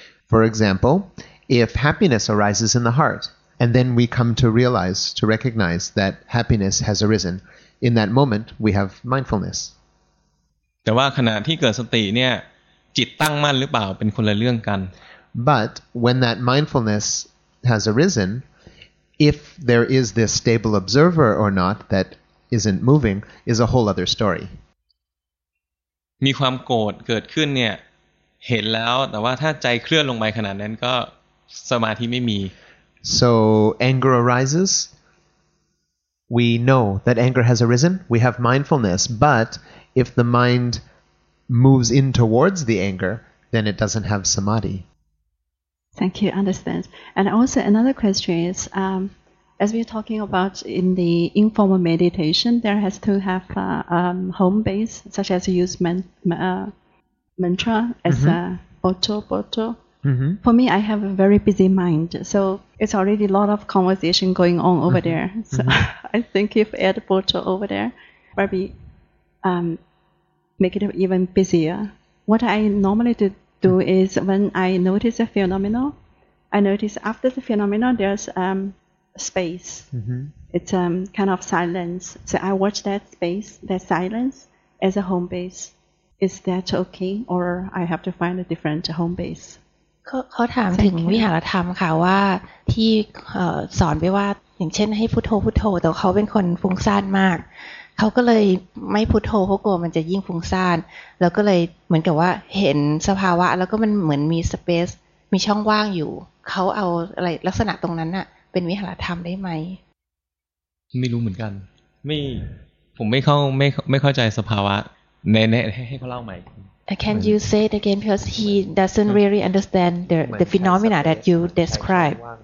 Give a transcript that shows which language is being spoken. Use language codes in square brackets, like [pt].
[en] For example if happiness arises in the heart and then we come to realize to recognize that happiness has arisen in that moment we have mindfulness [th] แต่ว่าขณะที่เกิดสติเนี่ยจิตตั้งมั่นหรือเปล่าเป็นคนละเรื่องกัน [en] But when that mindfulness has arisen if there is this stable observer or not that isn't moving is a whole other story [th] มีความโกรธเกิดขึ้นเนี่ยเห็นแล้วแต่ว่าถ้าใจเคลื่อนลงไปขนาดนั้นก็สมาธิไม่มี [en] So anger arises we know that anger has arisen we have mindfulness but if the mind moves in towards the anger then it doesn't have samadhi Thank you understand and also another question is as we're talking about in the informal meditation there has to have a home base such as use mantra as mm-hmm. a boto mm-hmm. for me I have a very busy mind so it's already a lot of conversation going on over mm-hmm. there so mm-hmm. I think if add boto over there maybe make it even busier what I normally do is when I notice a phenomenon I notice after the phenomenon there's space mm-hmm. it's kind of silence so I watch that space that silence as a home base is that okay or I have to find a different home base [th] เขาถามถึงวิหารธรรมค่ะว่าที่สอนไปว่าอย่างเช่นให้พุทโธแต่เขาเป็นคนฟุ้งซ่านมากเขาก็เลยไม่พุทโธเพราะกลัวมันจะยิ่งฟุ้งซ่านแล้วก็เลยเหมือนกับว่าเห็นสภาวะแล้วก็มันเหมือนมีสเปซมีช่องว่างอยู่เขาเอาอะไรลักษณะตรงนั้นน่ะเป็นวิหารธรรมได้ไหม ไม่รู้เหมือนกันไม่ผมไม่เข้าไม่เข้าใจสภาวะในให้เขาเล่าใหม่ [en] Can you say it again because he doesn't really understand the phenomena that you describe